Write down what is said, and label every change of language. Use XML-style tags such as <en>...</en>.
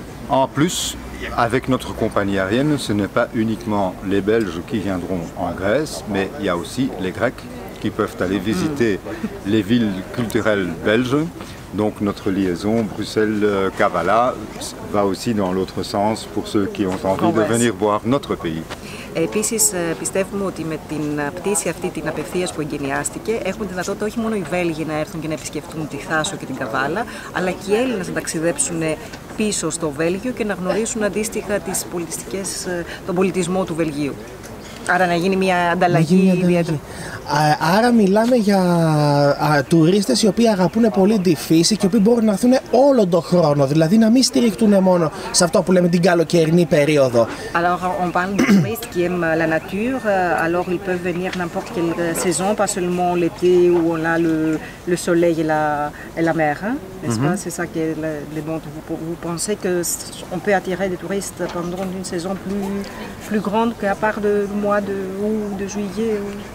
<fr>En plus, avec notre compagnie aérienne, ce n'est pas uniquement les Belges qui viendront en Grèce, mais il y a aussi les Grecs qui peuvent aller visiter les villes culturelles belges. Donc notre liaison Bruxelles-Kavala va aussi dans l'autre sens pour ceux qui ont envie de venir voir notre pays.</fr> <el>Επίσης, πιστεύουμε ότι με την πτήση αυτή, την απευθείας που εγκαινιάστηκε, έχουν δυνατότητα όχι μόνο οι Βέλγοι να έρθουν και να επισκεφτούν τη Θάσο και την Καβάλα, αλλά και οι Έλληνες να ταξιδέψουν πίσω στο Βέλγιο και να γνωρίσουν αντίστοιχα τον πολιτισμό του Βελγίου. Άρα να γίνει μια Να γίνει ανταλλαγή μια ιδιαίτερη. ανταλλαγή. Άρα μιλάμε για τουρίστες οι οποίοι αγαπούν πολύ τη φύση και οι οποίοι μπορούν να έρθουν όλο τον χρόνο, δηλαδή να μην στηριχτούν μόνο σε αυτό που λέμε την καλοκαιρινή περίοδο.</el> <fr>Alors, on parle de touristes qui aiment la nature, alors ils peuvent venir n'importe quelle saison, pas seulement l'été où on a le soleil et la mer, hein? N'est-ce pas? C'est ça qui est le bon. Vous pensez qu'on peut attirer des touristes pendant une saison plus grande qu'à part le mois d'août ou de juillet ou...</fr>